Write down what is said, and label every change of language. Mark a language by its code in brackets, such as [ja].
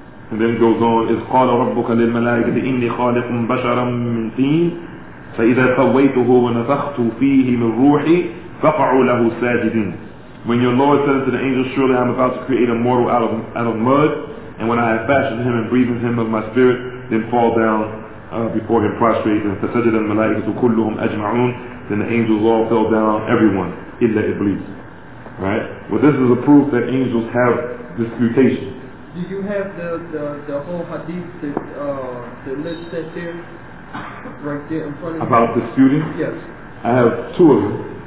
[en] And then it goes on, [ar] إِذْ قَالَ رَبُّكَ لِلْمَلَائِكَةِ إِنِّي خَالِقٌ بَشَرًا مِّنْ تِينٍ فَإِذَا سَوَّيْتُهُ وَنَفَخْتُ فِيهِ مِنْ رُوحِي فَقَعُوا لَهُ سَاجِدِينَ. [en] When your Lord said unto the angels, surely I am about to create a mortal out of mud, and when I have fashioned him and breathed in him of my spirit, then fall down before him prostrate. [ar] And فَسَجَدَ الْمَلَائِكَةُ كُلُّهُمْ أَجْمَعُونَ. [en] Then the angels all fell down, everyone, [ar] إِلَّا إِبْلِيسَ. [en] Right? Well, this is a proof that angels have disputation. Do you have the whole hadith that list that there? Right there in front of about you? About disputing? Yes. I have two of them.